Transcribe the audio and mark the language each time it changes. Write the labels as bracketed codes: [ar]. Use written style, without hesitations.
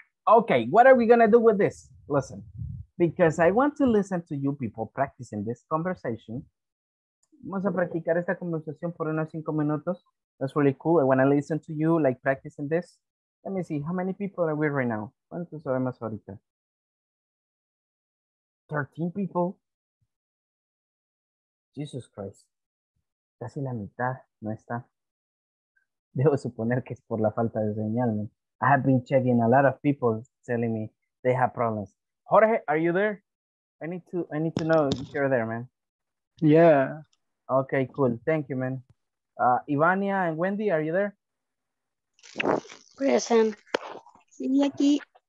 [en] Okay, what are we gonna do with this? Listen, because I want to listen to you people practicing this conversation. [es] Vamos a practicar esta conversación por unos 5 minutos. [en] That's really cool. I want to listen to you like practicing this. Let me see, how many people are we right now? [es] ¿Cuántos sabemos ahorita? [en] 13 people. Jesus Christ. [es] Casi la mitad no está. Debo suponer que es por la falta de señal. ¿No? [en] I have been checking a lot of people telling me they have problems. Jorge, are you there? I need to know if you're there, man. Yeah. Okay, cool. Thank you, man. Ivania and Wendy, are you there? Present. [es] Sí, aquí.